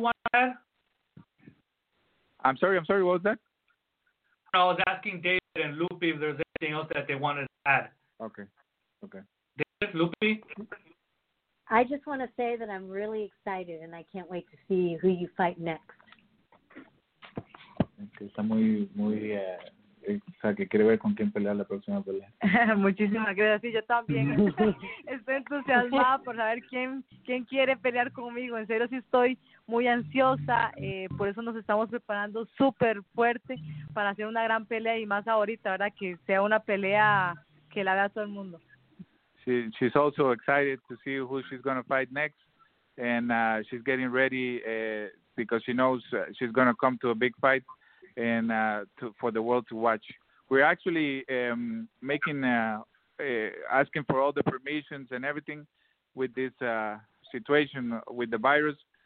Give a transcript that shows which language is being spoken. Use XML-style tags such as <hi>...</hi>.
<en>want to add? I'm sorry. What was that? I was asking David and Lupi if there's anything else that they wanted to add. Okay. David, Lupi? I just want to say that I'm really excited and I can't wait to see who you fight next.</en> <es>Está muy, muy, o sea, que quiere ver con quién pelea la próxima pelea. Muchísimas gracias. Sí, yo también estoy entusiasmada por saber quién quiere pelear conmigo. En serio, sí estoy muy ansiosa, por eso nos estamos preparando súper fuerte para hacer una gran pelea, y más ahorita, ¿verdad? Que sea una pelea que la vea todo el mundo.</es> <en>She's also excited to see who she's going to fight next, and she's getting ready because she knows she's going to come to a big fight and for the world to watch. We're actually asking for all the permissions and everything with this situation with the virus.</en>